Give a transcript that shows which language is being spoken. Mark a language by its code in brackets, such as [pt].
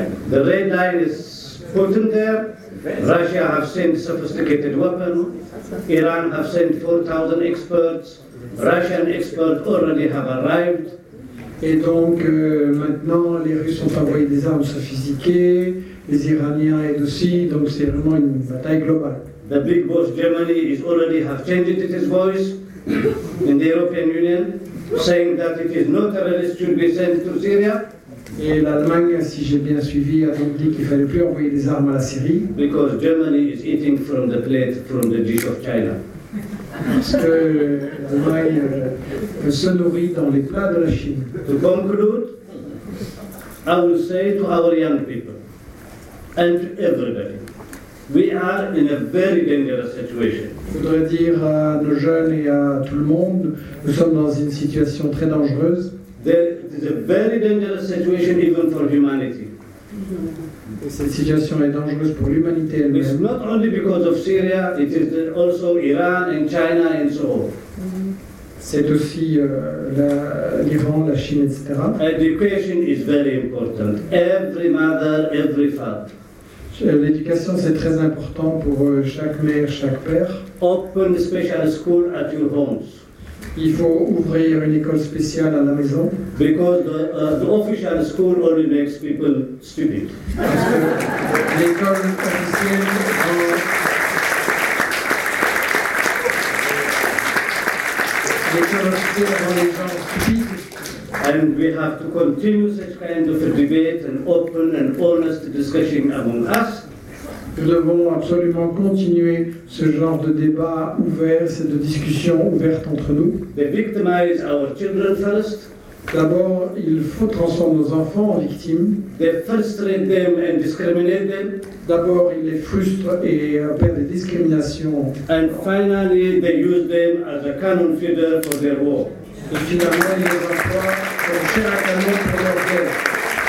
[en] The red line is Putin there. Russia have sent sophisticated weapons. Iran have sent 4,000 experts. Russian experts already have arrived. [fr] Et donc maintenant, les Russes ont envoyé des armes sophistiquées, les Iraniens aident aussi, donc c'est vraiment une bataille globale. [en] The big boss Germany is already have changed its voice in the European Union, saying that it is no terrorists should be sent to Syria. [fr] Et l'Allemagne, si j'ai bien suivi, a donc dit qu'il ne fallait plus envoyer des armes à la Syrie. [en] Because Germany is eating from the plate from the dish of China. [fr] Parce que l'Allemagne se nourrit dans les plats de la Chine. [en] To conclude, I will say to our young people and to everybody, we are in a very dangerous situation. [fr] Je voudrais dire à nos jeunes et à tout le monde, nous sommes dans une situation très dangereuse. [en] There is a very dangerous situation even for humanity. [fr] Cette situation est dangereuse pour l'humanité elle-même. [en] It's not only because of Syria, it is also Iran and China and so on. [fr] C'est aussi l'Iran, la Chine, etc. [en] Education is very important. Every mother, every father. [fr] L'éducation, c'est très important pour chaque mère, chaque père. [en] Open a special school at your homes. [fr] Il faut ouvrir une école spéciale à la maison. [en] Because the official school only makes people stupid. [fr] Parce que l'école officielle rend les gens stupides. [en] And we have to continue such kind of a debate and open and honest discussion among us. [fr] Nous devons absolument continuer ce genre de débat ouvert, cette discussion ouverte entre nous. [en] They victimize our children first. [fr] D'abord, il faut transformer nos enfants en victimes. [en] They frustrate them and discriminate them. [fr] D'abord, ils les frustrent et perdent des discriminations. [en] And finally, they use them as a cannon fodder for their war. [fr] Et finalement, ils les emploient comme chair à canon pour leur guerre.